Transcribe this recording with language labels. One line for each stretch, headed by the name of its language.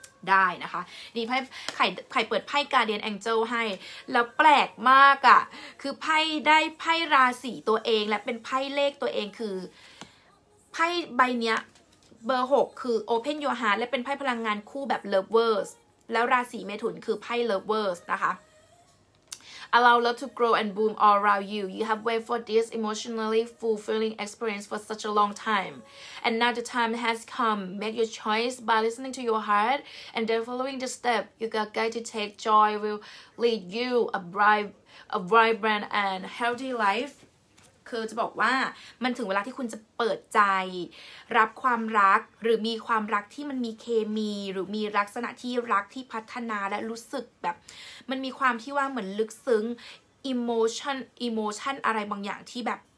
Thai: ได้นะคะนี่ไข่เปิดไพ่ Guardian Angel ให้แล้วแปลกมากอ่ะคือไพ่ได้ไพ่ราศีตัวเองและเป็นไพ่เลขตัวเองคือไพ่ใบเนี้ยเบอร์6คือ Open Your Heart และเป็นไพ่พลังงานคู่แบบ Lovers แล้วราศีเมถุนคือไพ่ Lovers นะคะ
English: Allow love to grow and bloom all around you. You have waited for this emotionally fulfilling experience for such a long time. And now the time has come. Make your choice by listening to your heart and then following the step you got guided to take. Joy will lead you a vibrant and healthy life.
Thai: คือจะบอกว่ามันถึงเวลาที่คุณจะเปิดใจรับความรักหรือมีความรักที่มันมีเคมีหรือมีลักษณะที่รักที่พัฒนาและรู้สึกแบบมันมีความที่ว่าเหมือนลึกซึ้งอิโมชันอะไรบางอย่างที่แบบ